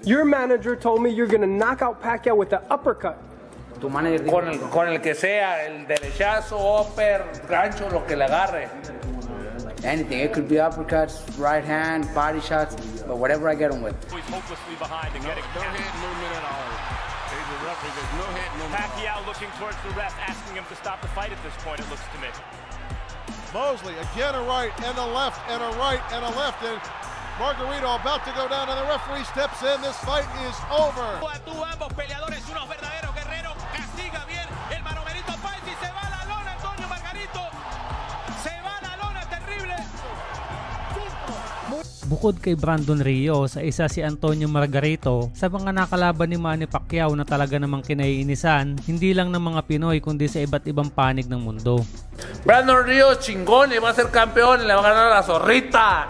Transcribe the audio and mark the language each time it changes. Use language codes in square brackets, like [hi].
[en] Your manager told me you're gonna knock out Pacquiao with the uppercut. [es] Tu manager dijo, con el que sea, el derechazo, upper, gancho, lo que le agarre. [en] Anything, it could be uppercuts, right hand, body shots, but whatever I get him with. He's hopelessly behind and getting no head movement at all. He's a referee, there's no head movement. Pacquiao looking towards the ref, asking him to stop the fight at this point, it looks to me. Mosley, again a right and a left and a right and a left, and Margarito about to go down, and the referee steps in. This fight is over. [tl] Bukod kay Brandon Rios, isa si Antonio Margarito sa mga nakalaban ni Manny Pacquiao na talaga namang kinaiinisan, hindi lang ng mga Pinoy kundi sa iba't ibang panig ng mundo. [es] Brandon Rios, chingón, va a ser campeón, le va a ganar a Zorrita.